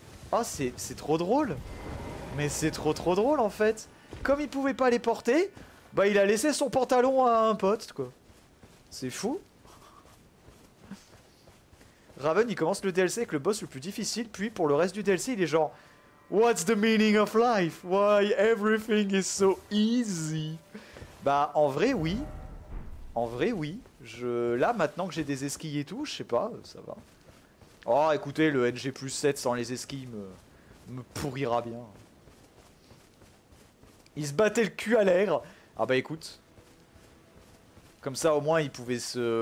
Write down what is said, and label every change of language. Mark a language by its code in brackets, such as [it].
[fr] Oh c'est trop drôle. Mais c'est trop drôle en fait. Comme il pouvait pas les porter, bah il a laissé son pantalon à un pote quoi. C'est fou. Raven il commence le DLC avec le boss le plus difficile, puis pour le reste du DLC il est genre... [en] What's the meaning of life? Why everything is so easy? [fr] Bah en vrai oui. En vrai oui. Je... Là, maintenant que j'ai des esquilles et tout, je sais pas, ça va. Oh, écoutez, le NG plus 7 sans les esquilles me pourrira bien. Il se battait le cul à l'air. Ah bah écoute. Comme ça, au moins, il pouvait se...